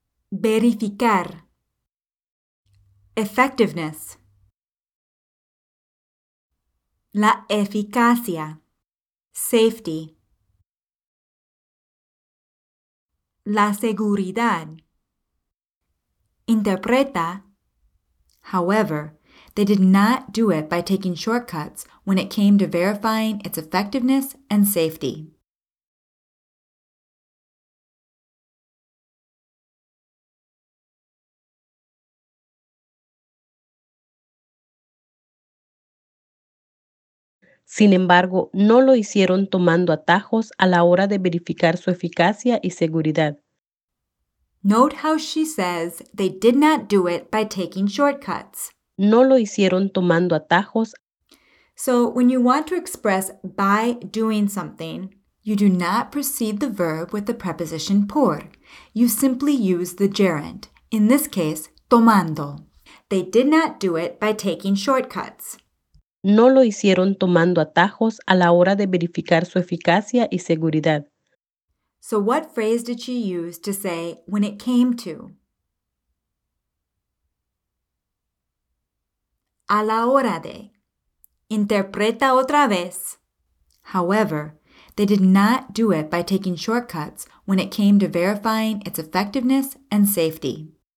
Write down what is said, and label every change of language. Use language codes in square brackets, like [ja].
[es] Verificar. [en] Effectiveness. [es] La eficacia, [en] safety. [es] La seguridad. Interpreta, [en] However, they did not do it by taking shortcuts when it came to verifying its effectiveness and safety. [es] Sin embargo, no lo hicieron tomando atajos a la hora de verificar su eficacia y seguridad. [en] Note how she says they did not do it by taking shortcuts. [es] No lo hicieron tomando atajos. [en] So when you want to express by doing something, you do not precede the verb with the preposition por. You simply use the gerund, in this case, tomando. They did not do it by taking shortcuts. [es] No lo hicieron tomando atajos a la hora de verificar su eficacia y seguridad. [en] So what phrase did she use to say when it came to? [es] A la hora de. Interpreta otra vez. [en] However, they did not do it by taking shortcuts when it came to verifying its effectiveness and safety.